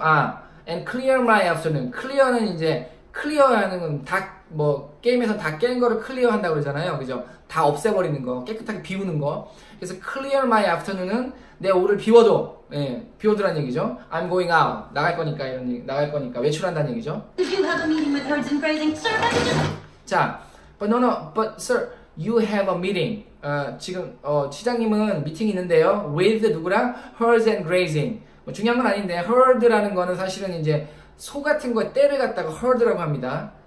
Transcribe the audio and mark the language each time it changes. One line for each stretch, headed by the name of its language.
Korean: 아.
English: And clear my afternoon.
Korean: clear는 이제 clear하는 건 다 뭐 게임에서 다 깬 거를 clear한다고 그러잖아요. 그죠? 다 없애버리는 거, 깨끗하게 비우는 거. 그래서 clear my afternoon은 내 오를 비워도, 예, 비워두라는 얘기죠.
English: I'm going out.
Korean: 나갈 거니까 이런 얘기, 나갈 거니까 외출한다는 얘기죠.
English: If you have a meeting with Herds and Grazing, sir, I can just... 자, but no, no, but sir, you have a meeting.
Korean: 지금 시장님은 미팅 있는데요.
English: With
Korean: 누구랑?
English: Herds and Grazing.
Korean: 뭐 중요한 건 아닌데 herd라는 거는 사실은 이제 소 같은 거에 떼를 갖다가 herd라고 합니다.